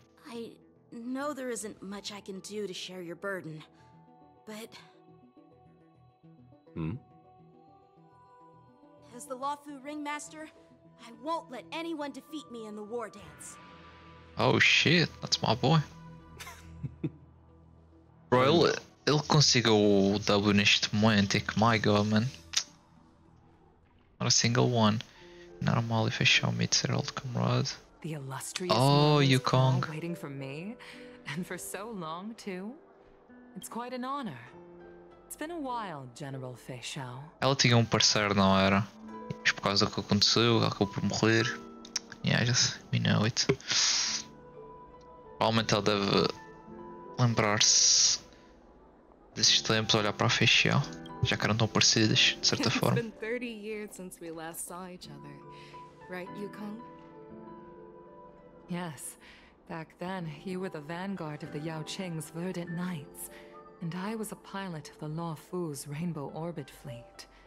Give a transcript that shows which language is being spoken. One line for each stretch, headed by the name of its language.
English: I know there isn't much I can do to share your burden, but... Hmm? As the Lafu Ringmaster, I won't let anyone defeat me in the war dance. Oh shit, that's my boy.
Portuguese: Bro, ele conseguiu o W neste momento, que
English: my god, man. Not a single one. Not a Molly for show meets her old comrade. The illustrious. Oh, Yukong. Waiting for me? And for so long, too? It's quite an honor. It's been a while, General Fei Xiao.
Portuguese: Ela tinha parceiro, não era? Mas por causa do que aconteceu, ela acabou por morrer.
English: Yeah, just, we know it.
Portuguese: Provavelmente ela deve lembrar-se desses tempos, olhar para a Fei Xiao. Já que eram tão parecidas, de certa
English: it's
Portuguese: forma.
English: It's been 30 years since we last saw each other. Right, Yukong? Yes, back then, you were the vanguard of the Yao Qing's Verdant Knights, and I was a pilot of the Law Fu's Rainbow Orbit Fleet.